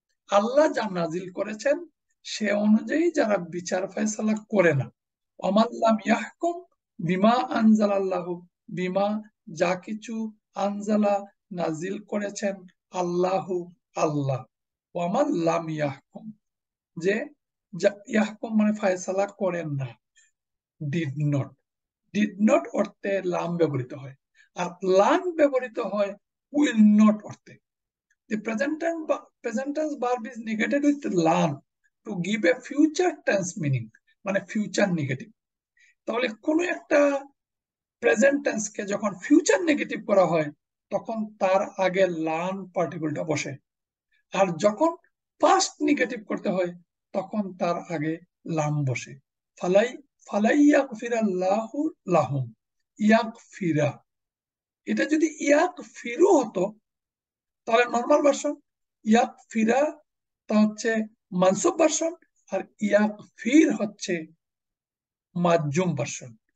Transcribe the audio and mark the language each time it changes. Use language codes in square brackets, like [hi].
[bn] আল্লাহ যা নাজিল করেছেন সে অনুযায়ী যারা বিচার ফয়সালা করে না, [ar] অমাল্লাম ইয়াহকুম বিমা আনজাল আল্লাহ, [bn] বিমা যা কিছু আনজালা নাজিল করেছেন আল্লাহ আল্লাহ। [ar] অমাল্লাম ইয়াহকুম [bn] যে ইয়াহকুম মানে ফয়সালা করেন না, [en] did not, did not [bn] অর্থে লাম ব্যবহৃত হয়, আর লাম ব্যবহৃত হয় [en] will not [bn] অর্থে। [en] The present tense verb is negated with lam to give a future tense meaning. [bn] মানে future negative. তাহলে কোনো একটা present tense কে যখন future negative করা হয় তখন তার আগে lam particleটা বসে, আর যখন past negative করতে হয় তখন তার আগে lam বসে। [ar] ফালাই ফালাই ইয়াগফিরা আল্লাহু লাহুম ইয়াগফিরা, [bn] এটা যদি ইয়াগফিরু হতো তাহলে নর্মাল ভার্সন, ইয়াক ফিরা তা হচ্ছে মানসুব ভার্সন, আর ইয়াক ফির হচ্ছে মাজুম ভার্সন।